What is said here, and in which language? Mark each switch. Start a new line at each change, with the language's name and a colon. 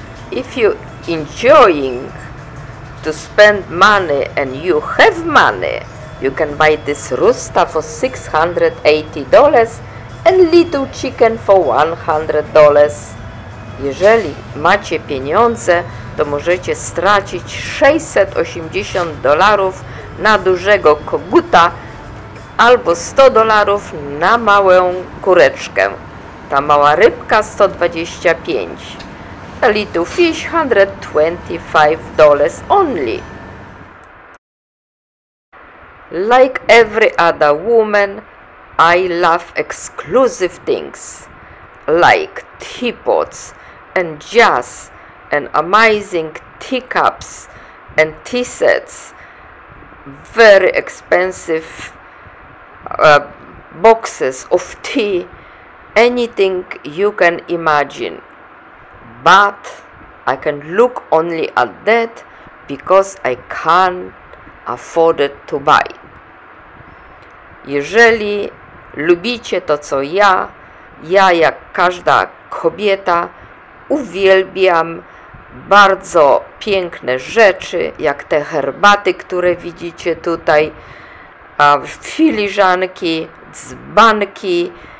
English: If you're enjoying to spend money and you have money, you can buy this rooster for $680 and little chicken for $100.
Polish: Jeżeli macie pieniądze, to możecie stracić $680 na dużego koguta albo $100 na małą kureczkę. Ta mała rybka 125.
English: A little fish, $125 only. Like every other woman, I love exclusive things, like teapots and jars and amazing teacups and tea sets, very expensive boxes of tea, anything you can imagine. But I can look only at that because I can't afford it to buy.
Polish: Jeżeli lubicie to co ja jak każda kobieta uwielbiam bardzo piękne rzeczy, jak te herbaty, które widzicie tutaj, filiżanki, dzbanki,